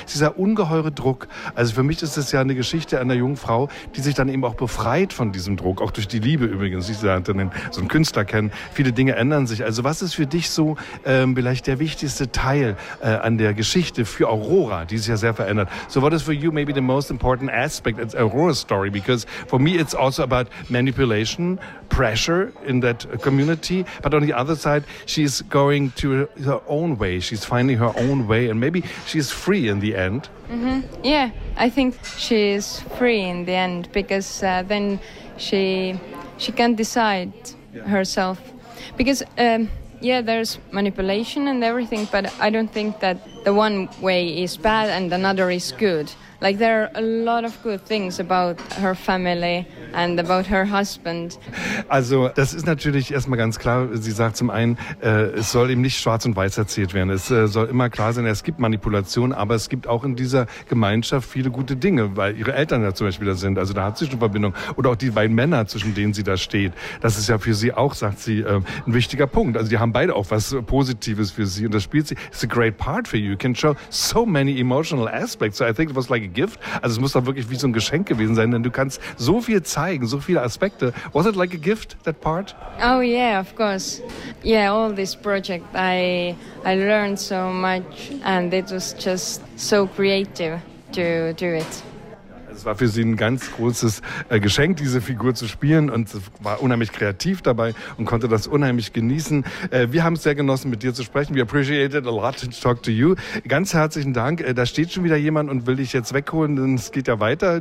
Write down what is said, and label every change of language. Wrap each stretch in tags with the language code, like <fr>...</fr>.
<de>dieser ungeheure Druck, also für mich ist es ja eine Geschichte einer jungen Frau, die sich dann eben auch befreit von diesem Druck, auch durch die Liebe übrigens, sie lernt dann so einen Künstler kennen, viele Dinge ändern sich. Also was ist für dich so vielleicht der wichtigste Teil an der Geschichte für Aurora, die sich ja sehr verändert?</de> <en>So what is for you maybe the most important aspect of Aurora's story? Because for me it's also about manipulation, pressure in that community. But on the other side, she's going to her own way. She's finding her own way and maybe she's free in the end. Mm-hmm. Yeah, I think she's free in the end because then she can decide herself. Because, there's manipulation and everything, but I don't think that the one way is bad and another is good. Like, there are a lot of good things about her family and about her husband.</en> <de>Also, das ist natürlich erstmal ganz klar. Sie sagt zum einen, es soll eben nicht schwarz und weiß erzählt werden. Es soll immer klar sein, es gibt Manipulation, aber es gibt auch in dieser Gemeinschaft viele gute Dinge, weil ihre Eltern ja zum Beispiel da sind. Also, da hat sie schon Verbindung. Oder auch die beiden Männer, zwischen denen sie da steht. Das ist ja für sie auch, sagt sie, ein wichtiger Punkt. Also, die haben beide auch was Positives für sie. Und das spielt sie.</de> <en>It's a great part for you. You can show so many emotional aspects. So I think it was like a gift.</en> <de>Also, es muss doch wirklich wie so ein Geschenk gewesen sein, denn du kannst so viel zeigen, so viele Aspekte.</de> <en>Was it like a gift, that part? Oh yeah, of course. Yeah, all this project, I learned so much and it was just so creative to do it.</en> <de>Es war für sie ein ganz großes Geschenk, diese Figur zu spielen und war unheimlich kreativ dabei und konnte das unheimlich genießen. Wir haben es sehr genossen, mit dir zu sprechen.</de> <en>We appreciate it a lot to talk to you.</en> <de>Ganz herzlichen Dank. Da steht schon wieder jemand und will dich jetzt wegholen, denn es geht ja weiter.</de>